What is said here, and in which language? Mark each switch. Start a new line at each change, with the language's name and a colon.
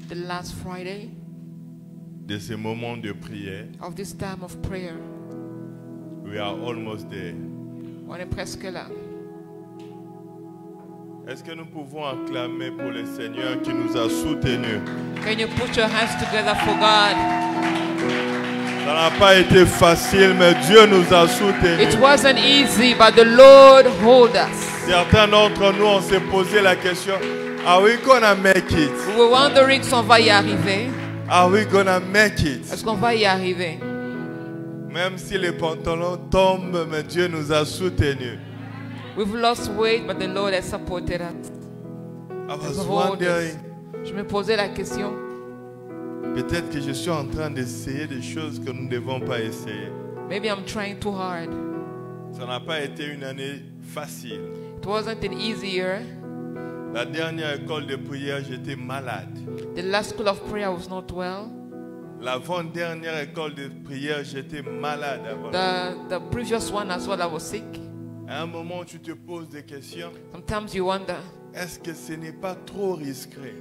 English: The last Friday.
French: de ce moment de prière.
English: Of this time of prayer. We are almost there.
French: On est presque là. Est-ce que nous pouvons acclamer pour le Seigneur qui nous a soutenus?
English: Can you put your hands together for God?
French: Ça n'a pas été facile, mais Dieu nous a soutenus.
English: It wasn't easy, but the Lord held us.
French: Certains d'entre nous ont se posé la question,
English: are we gonna make it? We were wondering
French: si on va y arriver.
English: Are we gonna make it?
French: Est-ce qu'on va y arriver? Même si les pantalons tombent, mais Dieu nous a soutenus.
English: We've lost weight, but the Lord has supported us. I was wondering.
French: Je me posais la question. Peut-être que je suis en train d'essayer des choses que nous ne devons pas essayer.
English: Maybe I'm trying too hard.
French: Ça n'a pas été une année facile.
English: It wasn't an easy year.
French: La dernière école de prière, j'étais malade.
English: The last school of prayer was not well.
French: L'avant-dernière école de prière, j'étais malade avant.
English: The previous one as well, I was sick.
French: À un moment, tu te poses des questions.
English: Sometimes you wonder.
French: Est-ce que ce n'est pas trop risqué?